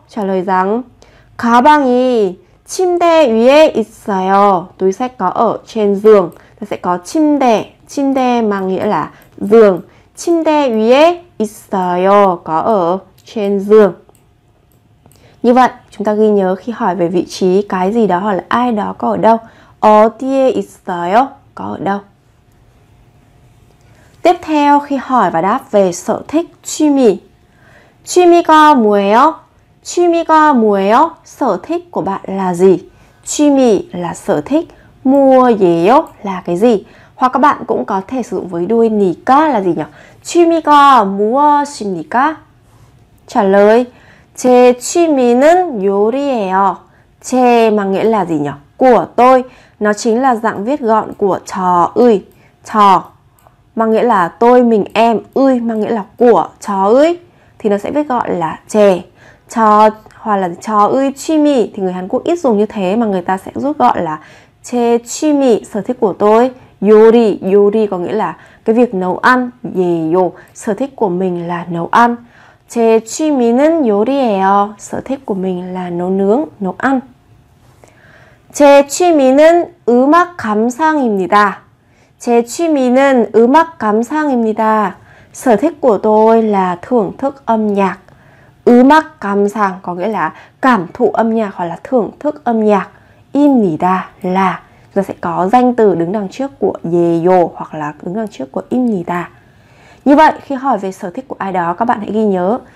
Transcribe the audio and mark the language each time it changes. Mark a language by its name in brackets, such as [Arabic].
[Vietnamese] Trả lời rằng [Korean] 가방이 침대 위에 있어요. [Vietnamese] Túi sách có ở trên giường. Ta sẽ có 침대. 침대 mang nghĩa là giường. [Korean] 침대 위에 있어요. [Vietnamese] Có ở trên giường. Như vậy, chúng ta ghi nhớ khi hỏi về vị trí cái gì đó hoặc là ai đó có ở đâu. [Korean] 어디에 있어요? [Vietnamese] Có ở đâu. Tiếp theo, khi hỏi và đáp về sở thích 취미. [Korean] 취미가 뭐예요? 취미가 뭐예요? [Vietnamese] Sở thích của bạn là gì? 취미 là sở thích, 뭐예요 là cái gì? Hoặc các bạn cũng có thể sử dụng với đuôi 니까 là gì nhỉ? [Korean] 취미가 무엇입니까? [Vietnamese] Trả lời, [Korean] 제 취미는 요리예요. [Vietnamese] 제 mà nghĩa là gì nhỉ? Của tôi, nó chính là dạng viết gọn của 저의. 저 mà nghĩa là tôi, mình, em. 의 mà nghĩa là của. 저의 thì nó sẽ viết gọn là 제. 저 hoặc là 저의 취미 thì người Hàn Quốc ít dùng như thế mà người ta sẽ rút gọn là 제 취미, sở thích của tôi. 요리, 요리 có nghĩa là cái việc nấu ăn. 예요, sở thích của mình là nấu ăn. [Korean] 제 취미는 요리예요, [Vietnamese] sở thích của mình là nấu nướng, nấu ăn. [Korean] 제 취미는 음악 감상입니다. 제 취미는 음악 감상입니다. [Vietnamese] Sở thích của tôi là thưởng thức âm nhạc. 음악 감상 có nghĩa là cảm thụ âm nhạc hoặc là thưởng thức âm nhạc. 입니다 là. Giờ sẽ có danh từ đứng đằng trước của 예요 hoặc là đứng đằng trước của 입니다. Như vậy, khi hỏi về sở thích của ai đó, các bạn hãy ghi nhớ.